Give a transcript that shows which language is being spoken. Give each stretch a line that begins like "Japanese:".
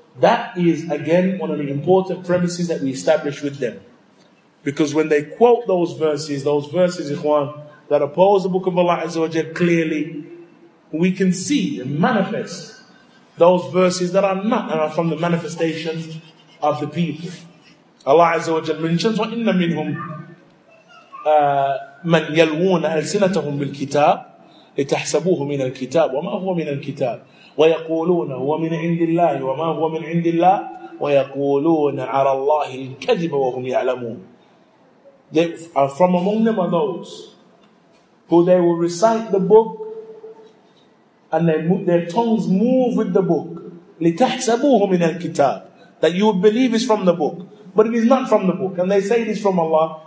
English: That is, again, one of the important premises that we establish with them. Because when they quote those verses, ikhwan, that oppose the book of Allah Azza wa Jal, clearly, we can see and manifest those verses that are not, are from the manifestation of the people. Allah Azza wa Jal mentions,
Arabic: وَإِنَّ مِنْهُمْ مَنْ يَلْوُونَ أَلْسِنَتَهُمْ بِالْكِتَابِ لِتَحْسَبُوهُ مِنَ الْكِتَابِ وَمَا هُوَ مِنَ الْكِتَابِ وَيَقُولُونَ هُوَ مِنْ عِنْدِ اللَّهِ وَمَا هُوَ مِنْ عِنْدِ اللَّهِ وَيَقُولُونَ عَلَى اللَّهِ الْكَذِبَ وَهُمْ يَعْلَمُونَ.
English: They are from among them are those who they will recite the book and their tongues move with the book.
Arabic: لِتَحْسَبُوهُ مِنَ الْكِتَابِ,
English: that you will believe is from the book. But it is not from the book. And they say it is from Allah.